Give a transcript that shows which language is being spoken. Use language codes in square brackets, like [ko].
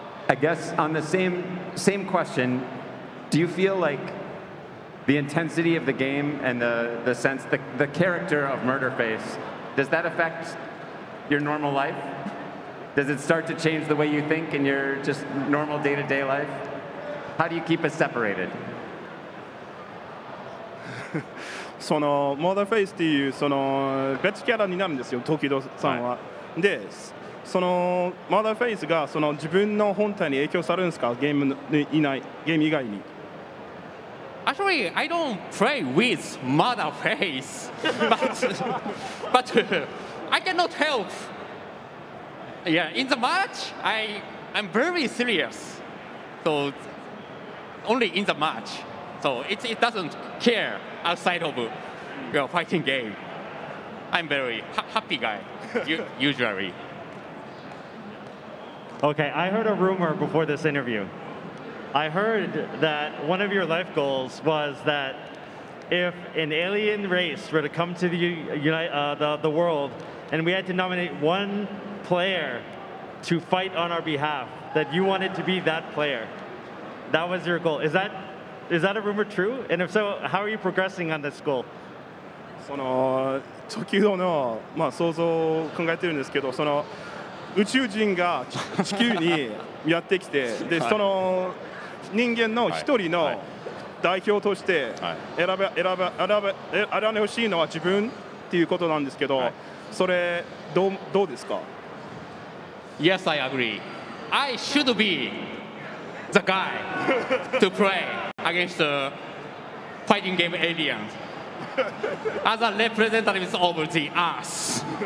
[en] I guess on the same question, do you feel like the intensity of the game and the sense, the character of Murderface, does that affect your normal life? Does it start to change the way you think in your just normal day-to-day life? How do you keep us separated? [ja] その、モーダーフェイスっていう、その、別キャラになるんですよ、トキドさんは。で、その、モーダーフェイスが、その、自分の本体に影響されるんですか？ゲームにいない、ゲーム以外に。 [en] Actually, I don't play with モーダーフェイス。 But, I cannot help. Yeah, in the match, I'm very serious. So, only in the match. So, it doesn't care outside of your fighting game. I'm very happy guy, usually. Okay, I heard a rumor before this interview. I heard that one of your life goals was that if an alien race were to come to the world and we had to nominate one player... to fight on our behalf, that you wanted to be that player. That was your goal. Is that a rumor true? And if so, how are you progressing on this goal? [ja] その、Tokido の、まあ、想像を考えてるんですけど、その、宇宙人が地球にやってきて、で、その、人間の一人の代表として選んでほしいのは自分っていうことなんですけど、それ、どうですか？ [en] Yes, I agree. I should be the guy to play against the fighting game aliens as a representative of the Earth.